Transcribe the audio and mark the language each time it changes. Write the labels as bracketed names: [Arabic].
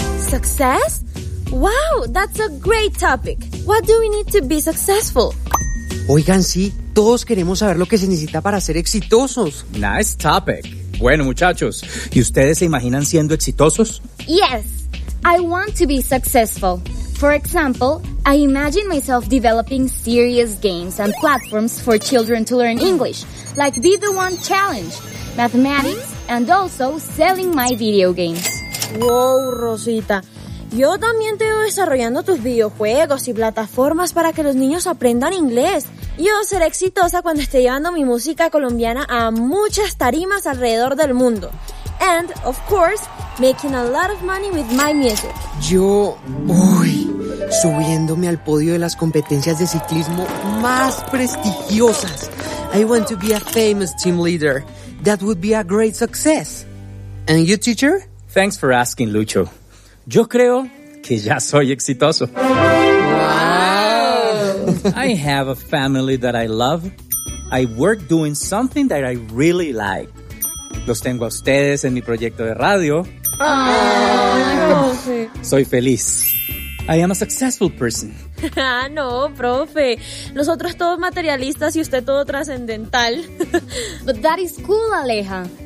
[English] Success? Wow, that's a great topic. What do we need to be successful? [Spanish] Oigan, sí, todos queremos saber lo que se necesita para ser exitosos. [English] Nice topic. [Spanish] Bueno, muchachos, ¿y ustedes se imaginan siendo exitosos? [English] Yes, I want to be successful. For example, I imagine myself developing serious games and platforms for children to learn English, like Be The One Challenge, mathematics, and also selling my video games. Wow, Rosita. [Spanish] Yo también te veo desarrollando tus videojuegos y plataformas para que los niños aprendan inglés. Yo seré exitosa cuando esté llevando mi música colombiana a muchas tarimas alrededor del mundo. [English] And, of course, making a lot of money with my music. [Spanish] Yo, subiéndome al podio de las competencias de ciclismo más prestigiosas. [English] I want to be a famous team leader. That would be a great success. And you, teacher? Thanks for asking, [Spanish] Lucho. Yo creo que ya soy exitoso. [English] Wow! I have a family that I love. I work doing something that I really like. [Spanish] Los tengo a ustedes en mi proyecto de radio. Soy feliz. [English] I am a successful person. [Spanish] Ah, no, profe. Nosotros todos materialistas y usted todo trascendental. [English] But that is cool, Aleja.